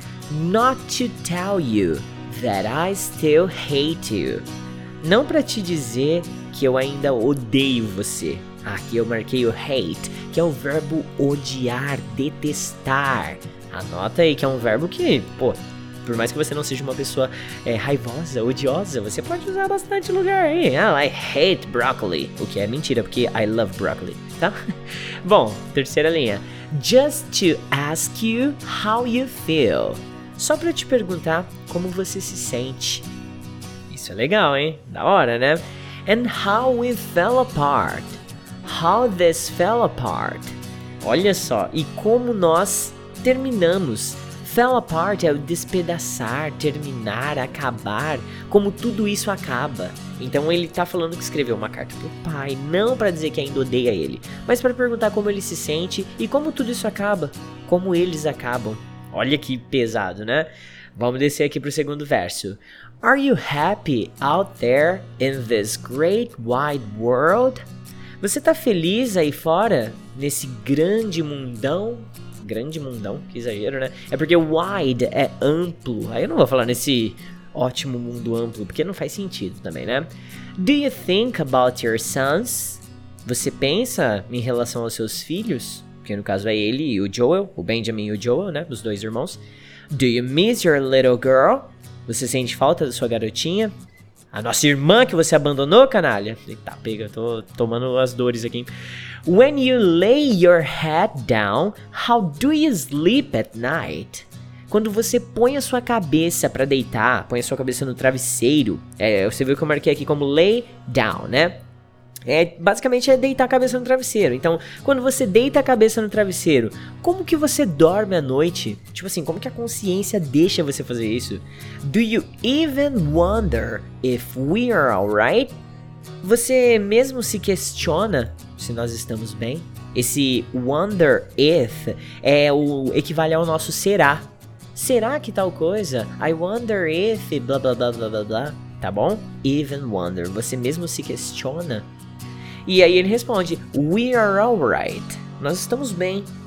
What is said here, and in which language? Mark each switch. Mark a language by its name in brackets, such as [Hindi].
[English] Not to tell you that I still hate you. [Portuguese] Não pra te dizer que eu ainda odeio você. Aqui eu marquei o hate, que é o verbo odiar, detestar. Anota aí que é um verbo que, pô, por mais que você não seja uma pessoa raivosa, odiosa, você pode usar bastante lugar aí. [English] Oh, I hate broccoli. [Portuguese] O que é mentira, porque [English] I love broccoli, [Portuguese] tá? Bom, terceira linha. [English] Just to ask you how you feel. [Portuguese] Só pra te perguntar como você se sente. Isso é legal, hein? Da hora, né? [English] And how we fell apart. How this fell apart. [Portuguese] Olha só, e como nós terminamos. Fell apart é o despedaçar, terminar, acabar. Como tudo isso acaba. Então ele tá falando que escreveu uma carta pro pai, não pra dizer que ainda odeia ele, mas pra perguntar como ele se sente e como tudo isso acaba, como eles acabam. Olha que pesado, né? Vamos descer aqui pro segundo verso. [English] Are you happy out there in this great wide world? [Portuguese] Você tá feliz aí fora, nesse grande mundão? Grande mundão, que exagero, né? É porque wide é amplo, aí eu não vou falar nesse... ótimo mundo amplo, porque não faz sentido também, né? [English] Do you think about your sons? [Portuguese] Você pensa em relação aos seus filhos? Que no caso é ele e o Joel, o Benjamin e o Joel, né? Os dois irmãos. [English] Do you miss your little girl? [Portuguese] Você sente falta da sua garotinha? A nossa irmã que você abandonou, canalha? Eita, pega, eu tô tomando as dores aqui. [English] When you lay your head down, how do you sleep at night? [Portuguese] Quando você põe a sua cabeça pra deitar, põe a sua cabeça no travesseiro, você viu que eu marquei aqui como lay down, né? Basicamente é deitar a cabeça no travesseiro. Então, quando você deita a cabeça no travesseiro, como que você dorme à noite? Tipo assim, como que a consciência deixa você fazer isso? [English] Do you even wonder if we are alright? [Portuguese] Você mesmo se questiona se nós estamos bem? Esse wonder if é o equivale ao nosso será. Será que tal coisa? [English] I wonder if... [Portuguese] blá blá blá blá blá blá. Tá bom? Even wonder. Você mesmo se questiona? E aí ele responde: [English] We are alright. [Portuguese] Nós estamos bem.